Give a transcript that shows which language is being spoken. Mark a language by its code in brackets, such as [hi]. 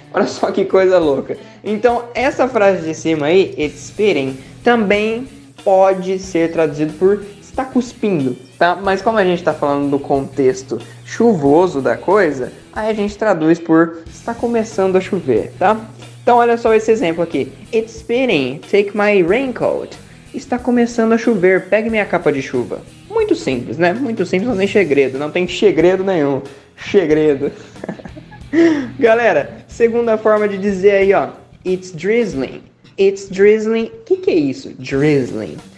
[pt] Olha só que coisa louca. Então, essa frase de cima aí, [en] it's spitting, [pt] também pode ser traduzido por está cuspindo, tá? Mas como a gente está falando do contexto chuvoso da coisa, aí a gente traduz por está começando a chover, tá? Então, olha só esse exemplo aqui. [en] It's spitting, take my raincoat. [pt] Está começando a chover, pegue minha capa de chuva. Muito simples, né? Muito simples, não tem segredo. Não tem segredo nenhum. Segredo. Galera, segunda forma de dizer aí, ó. [en] It's drizzling. It's drizzling. [pt] O que, que é isso? [en] Drizzling.